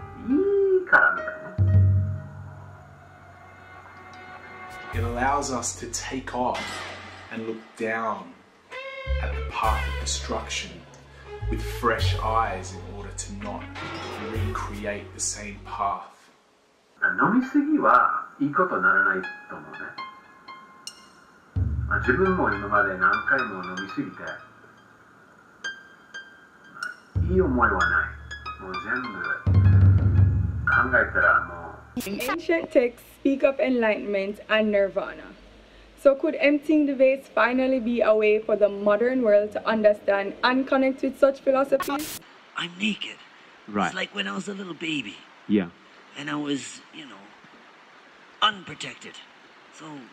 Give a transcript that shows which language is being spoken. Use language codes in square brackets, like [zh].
[ja] いいからみたいな。 [en] It allows us to take off and look down at the path of destruction with fresh eyes in order to not recreate the same path. [ja] 飲みすぎはいいことにならないと思うね、まあ、自分も今まで何回も飲みすぎて、まあ、いい思いはない。もう全部考えたらもう [en] Ancient texts speak of enlightenment and nirvana. So could emptying the vase finally be a way for the modern world to understand and connect with such philosophies? I'm naked. Right. It's like when I was a little baby. Yeah. And I was, you know, unprotected. So,